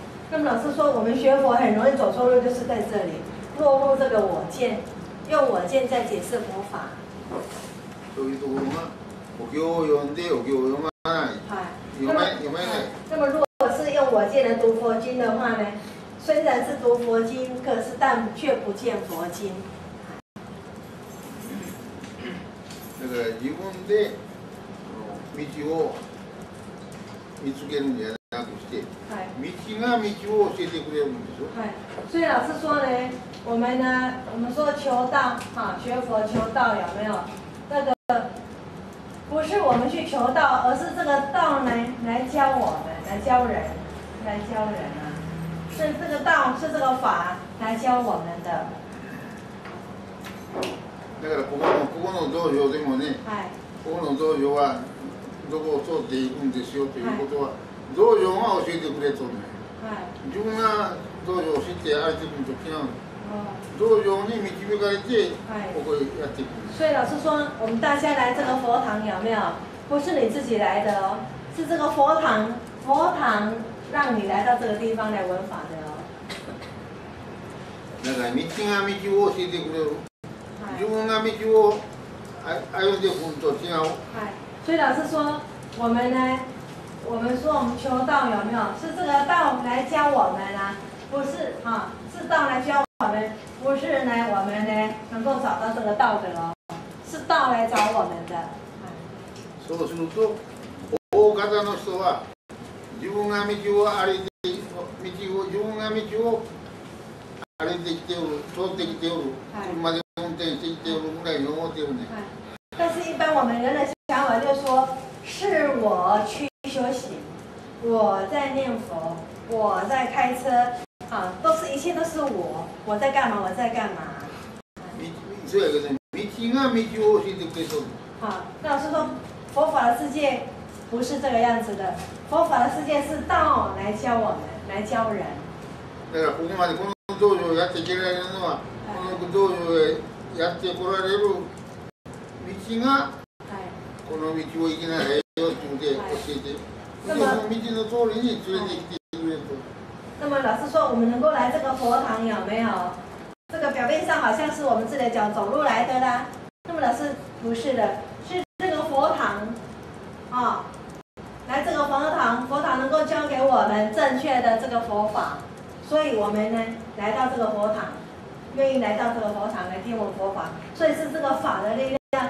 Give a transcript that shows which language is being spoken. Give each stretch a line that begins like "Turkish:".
Chinese: 那么老师说，我们学佛很容易走错路，就是在这里。落入这个我见，用我见在解释佛法。所以读佛经，我经用的，我经用的。有没有？那么如果是用我见来读佛经的话呢？虽然是读佛经，可是但却不见佛经。
Japanese: 那个自分で道を見つけるんじゃなくして、道が道を教えてくれるんですよ。
Chinese: 所以老师说呢？我们说求道啊，学佛求道有没有？那个不是我们去求道，而是这个道来教我们，来教人啊。是这个道，是这个法来教我们的。
Japanese: だからここの道場でもね、ここの道場はどこを通っていくんですよということは、道場が教えてくれとね。自分が道場を知って相手の時なの。道場に導かれて、ここへやっていく。
Chinese: 所以老师说，我们大家来这个佛堂有没有？不是你自己来的哦，是这个佛堂让你来到这个地方来闻法的哦。
Japanese: だから道が道を教えてくれる。自分が道を歩んでくると違う。
Chinese: 所以老师说，我们呢，我们说我们求道有没有？是这个道来教我们啊，不是哈、啊，是道来教我们，不是呢我们呢能够找到这个道的哦，是道来找我们的。
Japanese: そうすると、大方の人は自分が道を歩いて、自分が道を歩いてきておる、通ってきておる、車で運転してきておるぐらいに思っているね。
Chinese: 但是一般我们人的想法就说，是我去修行，我在念佛，我在开车，啊，都是一切都是我，我在干嘛，我在干嘛。所以说，
Japanese: 道が道を教えてくれそう。
Chinese: 好，那老师说，佛法的世界不是这个样子的，佛法的世界是道来教我们，来教人。
Japanese: だからここまでこの道場をやっていけられるのは、この道場へやってこられる。道がこの道を行きなさいよって教えて、その道の通りに連れてきてくれると。
Chinese: 那么老师说，我们能够来这个佛堂有没有？这个表面上好像是我们自己脚走路来的啦。那么老师不是的，是这个佛堂啊、哦，来这个佛堂，佛堂能够教给我们正确的这个佛法，所以我们呢来到这个佛堂，愿意来到这个佛堂来听我佛法，所以是这个法的力量。